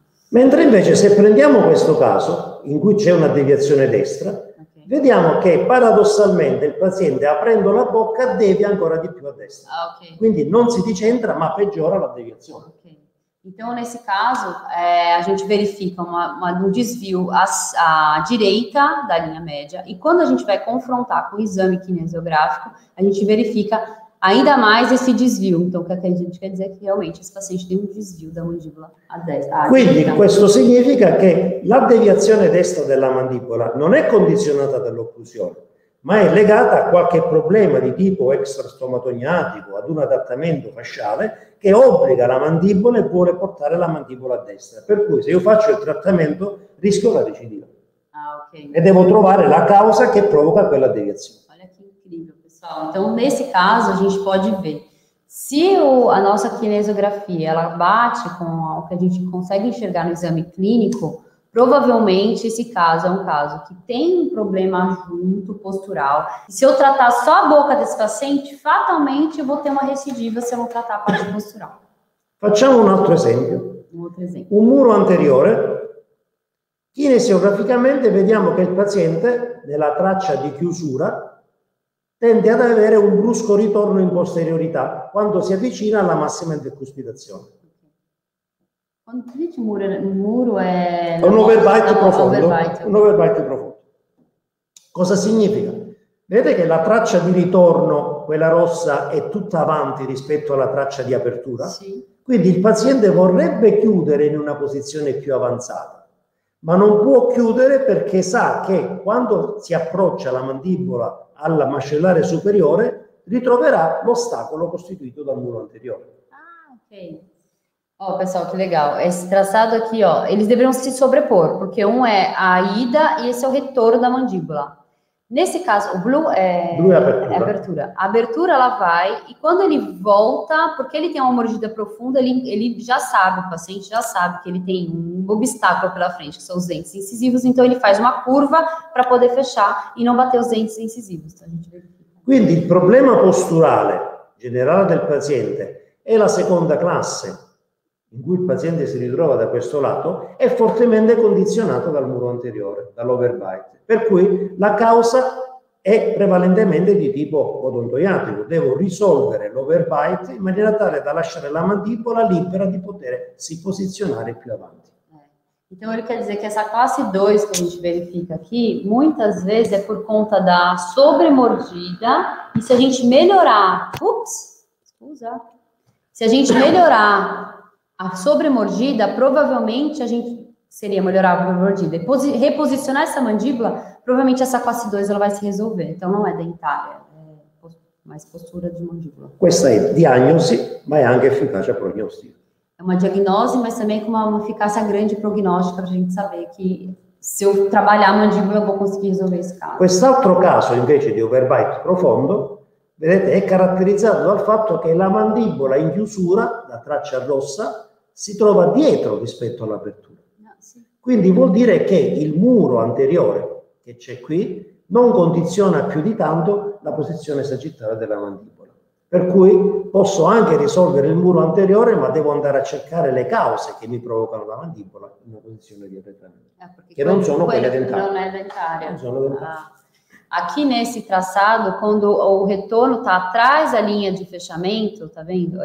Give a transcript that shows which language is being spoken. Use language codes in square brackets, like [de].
[it] Mentre invece se prendiamo questo caso in cui c'è una deviazione destra, okay, vediamo che paradossalmente il paziente aprendo la bocca devia ancora di più a destra. Ah, okay. Quindi non si decentra ma peggiora la deviazione. Okay. [pt] Então nesse caso a gente verifica un desvio a direita da linha média e quando a gente vai confrontar com o exame kinesiográfico a gente verifica ainda mais esse desvio. Então, o que a gente quer dizer é que realmente esse paciente tem um desvio da mandíbula a destra. [it] Quindi, questo significa che la deviazione destra della mandibola non è condizionata dall'occlusione, ma è legata a qualche problema di tipo extrastomatognatico, ad un adattamento fasciale che obbliga la mandibola e vuole portare la mandibola a destra. Per cui, se io faccio il trattamento, rischio la recidiva. Ah, okay. E devo trovare la causa che provoca quella deviazione. [pt] Então, nesse caso, a gente pode ver se a nossa kinesiografia ela bate com o que a gente consegue enxergar no exame clínico, provavelmente esse caso é um caso que tem um problema junto postural. E se eu tratar só a boca desse paciente, fatalmente eu vou ter uma recidiva se eu não tratar a parte postural. [it] Facciamo un altro esempio. [pt] Um outro exemplo. Um muro anterior. [it] Kinesiograficamente vediamo che il paziente nella traccia di chiusura tende ad avere un brusco ritorno in posteriorità quando si avvicina alla massima intercuspidazione. Quando si dice muro è un overbite profondo. Un overbite profondo. Cosa significa? Vedete che la traccia di ritorno, quella rossa, è tutta avanti rispetto alla traccia di apertura? Sì. Quindi il paziente vorrebbe chiudere in una posizione più avanzata, ma non può chiudere perché sa che quando si approccia la mandibola alla mascellare superiore ritroverà l'ostacolo costituito dal muro anteriore. [pt] Ah, ok. Oh, pessoal, que legal. Esse traçado aqui, ó, eles deveriam se sobrepor, porque um é a ida e esse é o retorno da mandíbula. Nesse caso, o blue é... Blue é abertura. É abertura. A abertura, ela vai, e quando ele volta, porque ele tem uma mordida profunda, ele já sabe, o paciente já sabe que ele tem um obstáculo pela frente, que são os dentes incisivos, então ele faz uma curva para poder fechar e não bater os dentes incisivos. Então, a gente verifica. [it] Quindi, il problema posturale generale del paziente è la seconda classe, in cui il paziente si ritrova da questo lato, è fortemente condizionato dal muro anteriore, dall'overbite. Per cui la causa è prevalentemente di tipo odontoiatrico. Devo risolvere l'overbite in maniera tale da lasciare la mandibola libera di poter si posizionare più avanti. [pt] Então ele quer dizer que essa classe 2 que a gente verifica aqui, muitas vezes è por conta da sobremordida, e se a gente melhorar... [it] Ups! Scusa! [pt] Se a gente melhorar... A sobremordida, provavelmente, a gente seria melhorar a sobremordida. E reposicionar essa mandíbula, provavelmente essa classe 2 ela vai se resolver. Então, não é dentária, é mais postura de mandíbula. Questa é diagnose, mas é anche eficácia prognóstica. É uma diagnose, mas também com uma eficácia grande prognóstica para a gente saber que se eu trabalhar a mandíbula, eu vou conseguir resolver esse caso. [it] Quest'altro caso, invece, de overbite profundo, vedete, è caratterizzato dal fatto che la mandibola in chiusura, la traccia rossa, si trova dietro rispetto all'apertura. Quindi vuol dire che il muro anteriore che c'è qui non condiziona più di tanto la posizione sagittale della mandibola. Per cui posso anche risolvere il muro anteriore, ma devo andare a cercare le cause che mi provocano la mandibola in una posizione di arretramento. Che non sono quelle dentarie. Non è dentaria. Non sono dentarie. Ah. [pt] Aqui nesse traçado, quando o retorno está atrás da linha de fechamento, tá vendo?